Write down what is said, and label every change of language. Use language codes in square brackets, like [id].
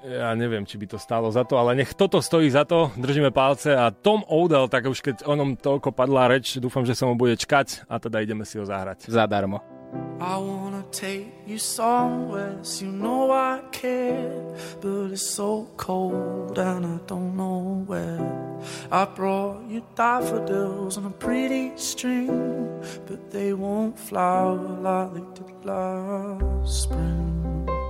[sk] Ja neviem, či by to stálo za to, ale nech toto stojí za to, držíme palce. A Tom Odell, tak už keď onom toľko padla reč, dúfam, že sa mu bude čkať, a teda ideme si ho zahrať. Zadarmo. [en] I wanna take you somewhere, so you know I care, but it's so cold and I don't know where. I brought you daffodils on a pretty string, but they won't flower like they did last spring.